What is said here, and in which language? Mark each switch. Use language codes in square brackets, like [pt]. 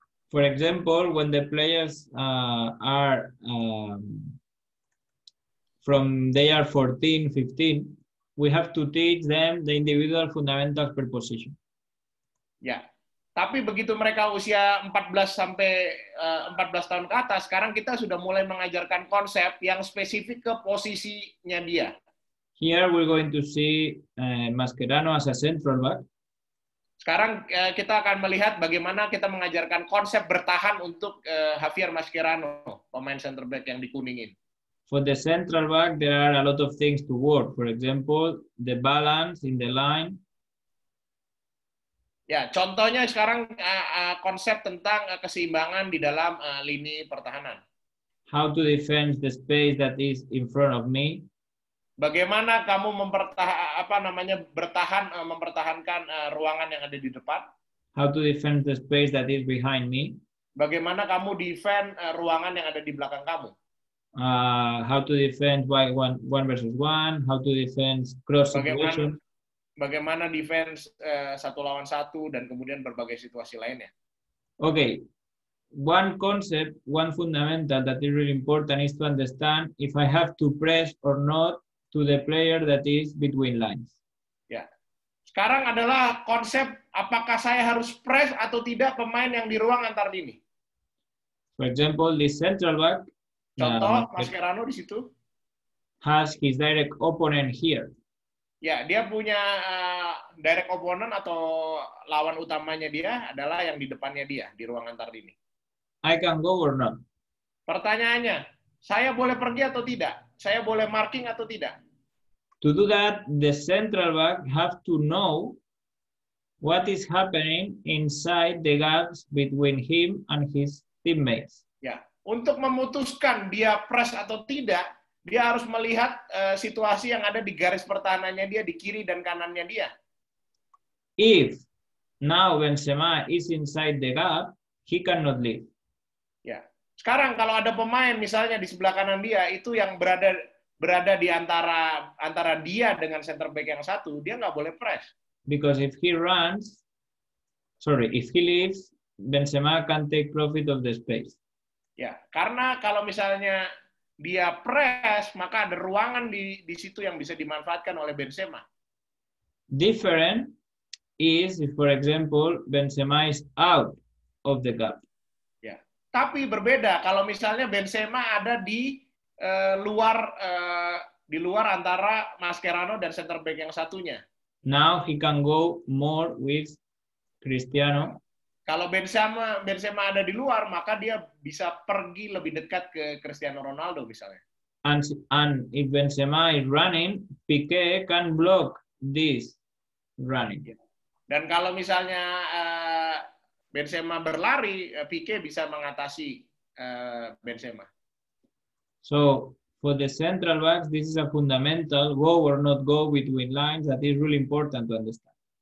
[en] For example, when the players are from they are 14, 15, we have to teach them the individual fundamentals per position. Ya. Yeah. [id] Tapi begitu mereka usia 14 sampai 14 tahun ke atas, sekarang kita sudah mulai mengajarkan konsep yang spesifik ke posisinya dia. [en] Here we're going to see Mascherano as a central back. [id] Sekarang kita akan melihat bagaimana kita mengajarkan konsep bertahan untuk Javier Mascherano, pemain center back yang dikuningin. [en] For the central back, there are a lot of things to work. For example, the balance in the line. [id] Ya, contohnya sekarang konsep tentang keseimbangan di dalam lini pertahanan. [en] How to defend the space that is in front of me? [id] Bagaimana kamu mempertahankan ruangan yang ada di depan? [en] How to defend the space that is behind me? [id] Bagaimana kamu defend ruangan yang ada di belakang kamu? [en] How to defend one versus one? How to defend cross situation? [id] Bagaimana defense satu lawan satu dan kemudian berbagai situasi lainnya? Okay. [en] One concept, one fundamental that is really important is to understand if I have to press or not to the player that is between lines. Ya. [id] Sekarang adalah konsep apakah saya harus press atau tidak pemain yang di ruang antar lini. [en] For example, the central back. [id] Contoh, Mascherano di situ. [en] Has his direct opponent here. [id] Ya, dia punya [en] direct opponent [id] atau lawan utamanya dia adalah yang di depannya dia di ruang antar lini. [en] I can go or not? [id] Pertanyaannya, saya boleh pergi atau tidak? Saya boleh marking atau tidak? [en] To do that, the central back have to know what is happening inside the gaps between him and his teammates. [id] Ya, untuk memutuskan dia press atau tidak, dia harus melihat situasi yang ada di garis pertahanannya dia di kiri dan kanannya dia. [en] If now Benzema is inside the gap, he cannot leave. [id] Sekarang kalau ada pemain misalnya di sebelah kanan dia itu yang berada di antara dia dengan center back yang satu, dia nggak boleh press. [en] Because if he leaves, Benzema can take profit of the space. [id] Ya, karena kalau misalnya dia press, maka ada ruangan di situ yang bisa dimanfaatkan oleh Benzema. [en] Different is if, for example, Benzema is out of the gap. [id] Tapi berbeda kalau misalnya Benzema ada di luar antara Mascherano dan center back yang satunya. [en] Now he can go more with Cristiano. [id] Kalau Benzema ada di luar, maka dia bisa pergi lebih dekat ke Cristiano Ronaldo misalnya. [en] And if Benzema is running, Pique can block this running. [id] Dan kalau misalnya Benzema berlari, Pique bisa mengatasi Benzema. [en] So, for the central backs, this is a fundamental, go or not go between lines, that is really important to understand.